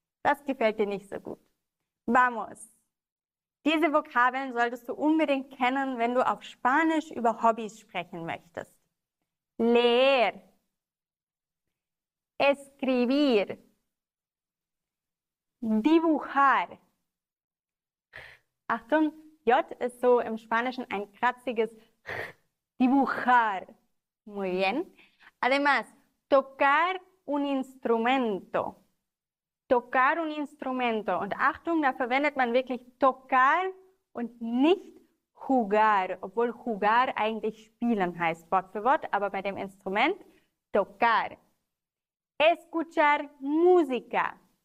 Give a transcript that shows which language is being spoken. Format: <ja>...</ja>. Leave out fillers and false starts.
<de>Das gefällt dir nicht so gut. Vamos! Diese Vokabeln solltest du unbedingt kennen, wenn du auf Spanisch über Hobbys sprechen möchtest. Leer.</de> <es>Escribir.</es> <de>Dibujar. Achtung, J ist so im Spanischen ein kratziges Dibujar.</de> <es>Muy bien. Además, tocar un instrumento. Tocar un instrumento.</es> <de>Und Achtung, da verwendet man wirklich tocar und nicht jugar, obwohl jugar eigentlich spielen heißt, Wort für Wort, aber bei dem Instrument tocar.</de> <es>Escuchar música.</es>